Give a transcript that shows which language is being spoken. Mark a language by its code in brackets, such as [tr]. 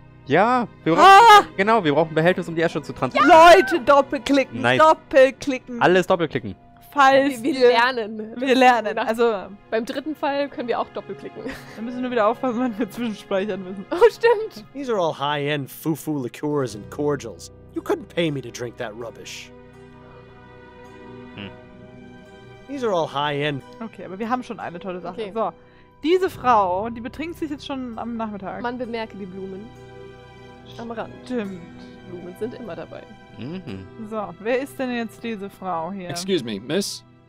[de] Ja, wir brauchen, genau, wir brauchen Behältnis, um die Asche zu transportieren. Ja. Leute, doppelklicken, nice. Doppelklicken. Alles doppelklicken. Falls wir lernen. Wir lernen, also. Beim dritten Fall können wir auch doppelklicken. Dann müssen wir nur wieder aufpassen, wenn wir zwischenspeichern müssen. Oh, stimmt. [en] These are all high-end foo-foo liqueurs and cordials. You couldn't pay me to drink that rubbish. These are all high-end. [de] Okay, aber wir haben schon eine tolle Sache. Okay. So. Diese Frau, die betrinkt sich jetzt schon am Nachmittag. Man bemerke die Blumen am Rand. Stimmt. Blumen sind immer dabei. Mhm. So, wer ist denn jetzt diese Frau hier? [en] Excuse me, miss?